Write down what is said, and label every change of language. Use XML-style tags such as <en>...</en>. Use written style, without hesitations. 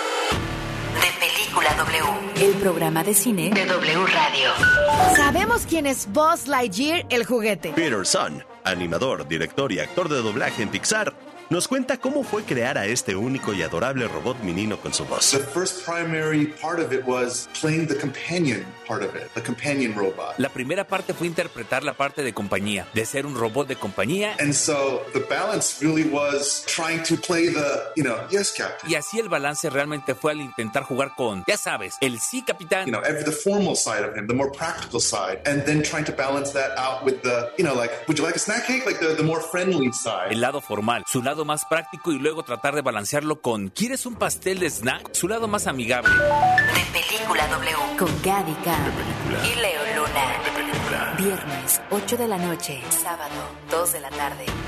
<es>De Película W. El programa de cine de W Radio. Sabemos quién es Buzz Lightyear, el juguete. Peter Son, animador, director y actor de doblaje en Pixar, nos cuenta cómo fue crear a este único y adorable robot menino con su voz.</es> <en>The first primary part of it was playing the companion part of it, the companion robot.</en> <es>La primera parte fue interpretar la parte de compañía, de ser un robot de compañía.</es> <en>And so the balance really was trying to play the, you know, yes, captain.</en> <es>Y así el balance realmente fue al intentar jugar con, ya sabes, el sí, capitán.</es> <en>You know, the formal side of him, the more practical side, and then trying to balance that out with the, you know, like, would you like a snack cake? Like the more friendly side.</en> <es>El lado formal, su lado más práctico, y luego tratar de balancearlo con, ¿quieres un pastel de snack? Su lado más amigable. De Película W. Con Gaby Cam. De Película. Y Leo Luna. De Película. Viernes, 8 de la noche. Sábado, 2 de la tarde.</es>